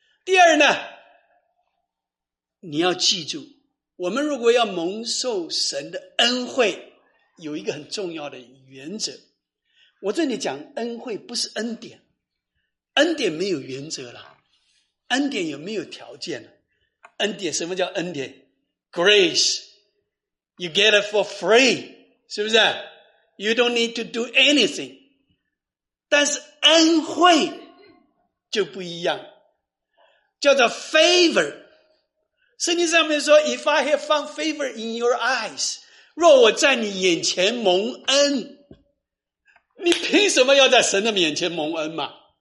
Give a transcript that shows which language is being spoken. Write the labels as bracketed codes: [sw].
[zh] 第二呢，你要记住，我们如果要蒙受神的恩惠，有一个很重要的原则，我这里讲恩惠不是恩典，恩典没有原则了，恩典有没有条件了？恩典什么叫恩典 [en] ？Grace, you get it for free, [zh] 是不是 [en] ？You don't need to do anything. [zh] 但是恩惠就不一样，叫做 favor。圣经上面说 ， [en] If I have found favor in your eyes, [zh] 若我在你眼前蒙恩，你凭什么要在神的面前蒙恩嘛？